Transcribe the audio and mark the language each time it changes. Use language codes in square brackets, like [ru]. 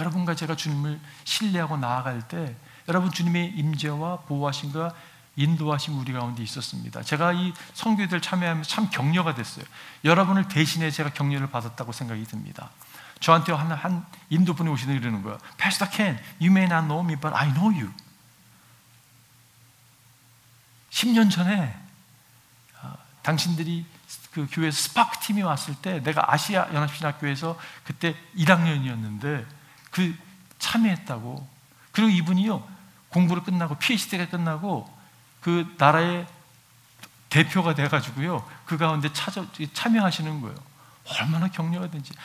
[ko] 여러분과 제가 주님을 신뢰하고 나아갈 때 여러분, 주님의 임재와 보호하심과 인도하심이 우리 가운데 있었습니다. 제가 이 선교회들 참여하면서 참 격려가 됐어요. 여러분을 대신해 제가 격려를 받았다고 생각이 듭니다. 저한테 한 인도 분이 오시는 게 이러는 거예요. [en] Pastor Ken, you may not know me, but I know you. [ko] 10년 전에 당신들이 그 교회 스파크팀이 왔을 때 내가 아시아 연합신학교에서 그때 1학년이었는데 그 참여했다고. 그리고 이분이요, 공부를 끝나고 PhD가 끝나고 그 나라의 대표가 돼가지고요 그 가운데 참여하시는 거예요. 얼마나 격려가 되는지.